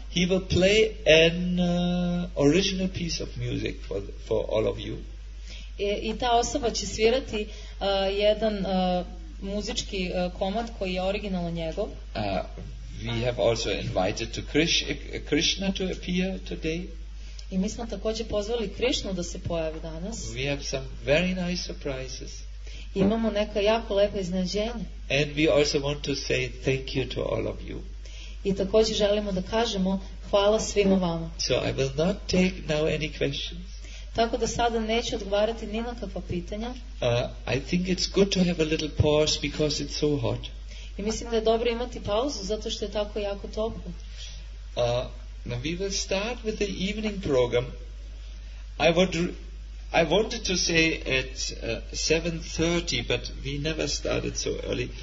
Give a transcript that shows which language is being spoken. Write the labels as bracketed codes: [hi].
[en] He will play an original piece of music for all of you. [sr] I ta osoba će svirati jedan muzički komad koji je originalno njegov. [en] We have also invited to Krishna to appear today. [sr] I mi smo takođe pozvali Krishnu da se pojavi danas. [en] We have some very nice surprises. [sr] Imamo neka jako lepa iznenađenja. [en] And we also want to say thank you to all of you. [sr] I takođe želimo da kažemo hvala svima vama. [en] So I will not take now any questions. [sr] Tako da sada neću odgovarati ni na kakva pitanja. [en] I think it's good to have a little pause because it's so hot. [sr] I mislim da je dobro imati pauzu zato što je tako jako toplo. [en] Now we will start with the evening program. I wanted to say at 7:30, but we never started so early.